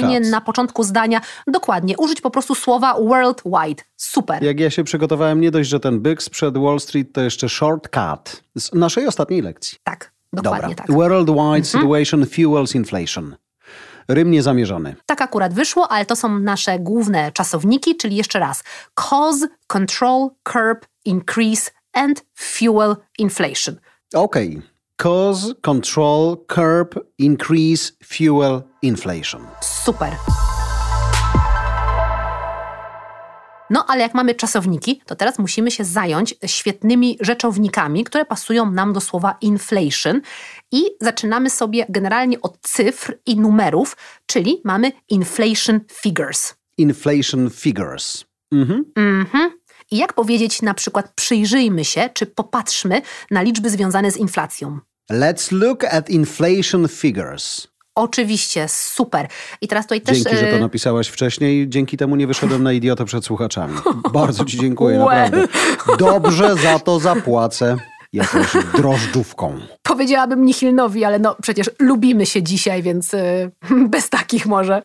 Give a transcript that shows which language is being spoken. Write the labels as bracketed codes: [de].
[pl] Fajnie na początku zdania, dokładnie, użyć po prostu słowa [en] worldwide. Super. Jak ja się przygotowałem, nie dość, że ten byk sprzed Wall Street, to jeszcze shortcut z naszej ostatniej lekcji. Tak, dokładnie. Dobra. Tak. Worldwide situation fuels inflation. [pl] Rym niezamierzony. Tak akurat wyszło, ale to są nasze główne czasowniki, czyli jeszcze raz. [en] Cause, control, curb, increase and fuel inflation. [pl] Okej. Okay. [en] Cause, control, curb, increase, fuel, inflation. [pl] Super. No ale jak mamy czasowniki, to teraz musimy się zająć świetnymi rzeczownikami, które pasują nam do słowa inflation. I zaczynamy sobie generalnie od cyfr i numerów, czyli mamy [en] inflation figures. Inflation figures. [pl] Mhm. I jak powiedzieć na przykład przyjrzyjmy się, czy popatrzmy na liczby związane z inflacją? [en] Let's look at inflation figures. [pl] Oczywiście, super. I teraz tutaj dzięki, też, że to napisałaś wcześniej. Dzięki temu nie wyszedłem na idiotę przed słuchaczami. Bardzo ci dziękuję, naprawdę. Dobrze za to zapłacę jakąś drożdżówką. Powiedziałabym Nihilnowi, ale no przecież lubimy się dzisiaj, więc bez takich może.